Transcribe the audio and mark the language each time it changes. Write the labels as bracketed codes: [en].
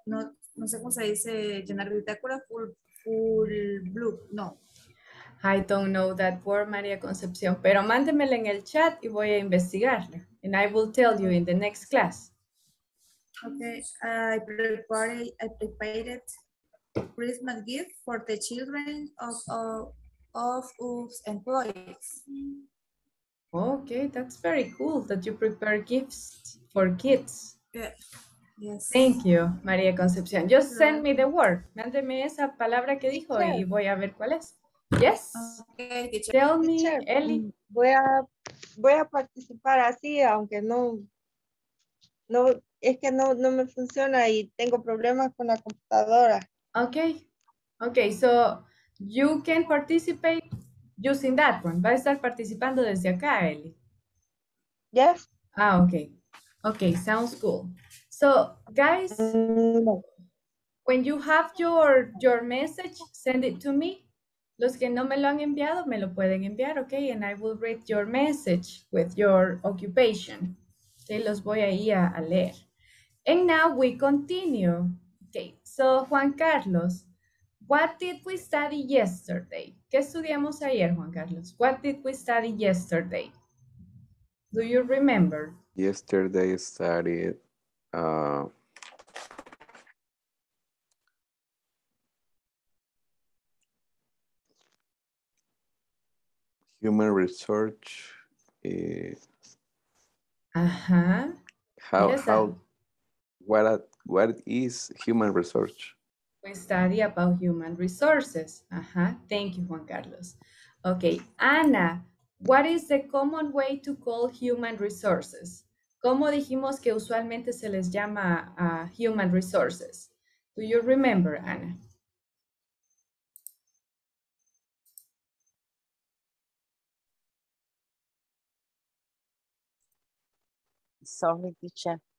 [es] No sé cómo se dice llenar bitácora full blue. No, [en] I don't know that word, María Concepción. [es] Pero mándemela en el chat y voy a investigarla. [en] And I will tell you in the next class. Okay, I prepared Christmas gift for the children of UFS employees. Okay, that's very cool that you prepare gifts for kids. Yes. Thank you, María Concepción. Just send me the word. [es] Mándeme esa palabra que dijo y voy a ver cuál es. [en] Yes. Okay, tell me, Eli. [es] Voy a participar así, aunque no. Es que no me funciona y tengo problemas con la computadora. [en] Okay, so you can participate using that one. [es] Va a estar participando desde acá, Eli. [en] Yes. Ah, okay. Okay, sounds cool. So, guys, when you have your message, send it to me. [es] Los que no me lo han enviado, me lo pueden enviar, okay? [en] And I will read your message with your occupation. [es] Okay, los voy ahí a leer. [en] And now we continue. Okay, so Juan Carlos, what did we study yesterday? [es] ¿Qué estudiamos ayer, Juan Carlos? [en] What did we study yesterday? Do you remember? Yesterday studied... human research. What is human research? We study about human resources. Thank you, Juan Carlos. Okay, Ana, what is the common way to call human resources? [es] ¿Cómo dijimos que usualmente se les llama human resources? [en] Do you remember, Ana? Sorry, teacher.